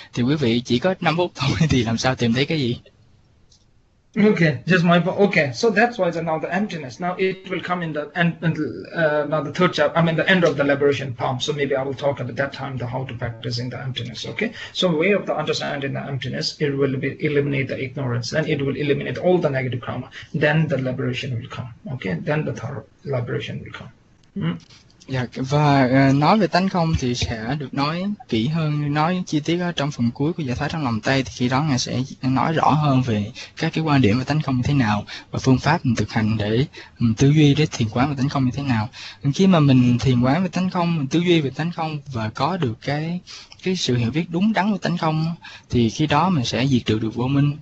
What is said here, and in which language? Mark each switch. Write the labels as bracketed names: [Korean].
[Vietnamese] Thì quý vị chỉ có 5 phút thôi thì làm sao tìm thấy cái gì? [English] So that's why now the emptiness. Now it will come in the end, now the third chapter, I mean the end of the liberation palm. So maybe I will talk at that time the how to practice in the emptiness. Okay. So way of the understanding the emptiness, it will be eliminate the ignorance, and it will eliminate all the negative karma. Then the liberation will come. Okay. Then the third liberation will come. [Vietnamese] Và nói về tánh không thì sẽ được nói kỹ hơn, nói chi tiết ở trong phần cuối của giải thoát trong lòng tay, thì khi đó ngài sẽ nói rõ hơn về các cái quan điểm về tánh không như thế nào và phương pháp mình thực hành để tư duy để thiền quán về tánh không như thế nào. Khi mà mình thiền quán về tánh không, mình tư duy về tánh không và có được cái sự hiểu biết đúng đắn về tánh không, thì khi đó mình sẽ diệt trừ được vô minh.